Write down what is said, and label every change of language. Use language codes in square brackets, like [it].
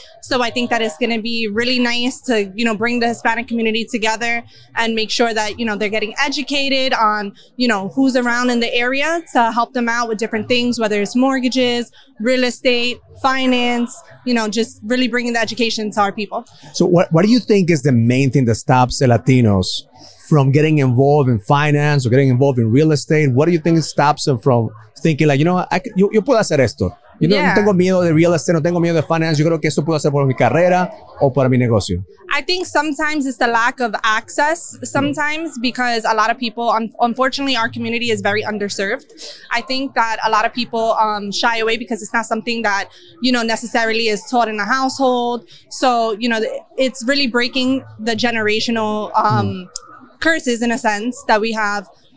[en] So I think that it's going to be really nice to, you know, bring the Hispanic community together and make sure that, you know, they're getting educated on, you know, who's around in the area to help them out with different things, whether it's mortgages, real estate, finance, you know, just really bringing the education to our people. So what do you think is the main thing that stops the Latinos from getting involved in finance or getting involved in real estate? What do you think stops them from thinking like, you know, [es] yo puedo hacer esto? [en] You know, yeah. [es] No tengo miedo de real estate, no tengo miedo de finance. Yo creo que esto puedo hacer por mi carrera o para mi negocio. [en] I think sometimes it's the lack of access sometimes because a lot of people, unfortunately, our community is very underserved. I think that a lot of people shy away because it's not something that, you know, necessarily is taught in the household. So, you know, it's really breaking the generational curses in a sense that we have.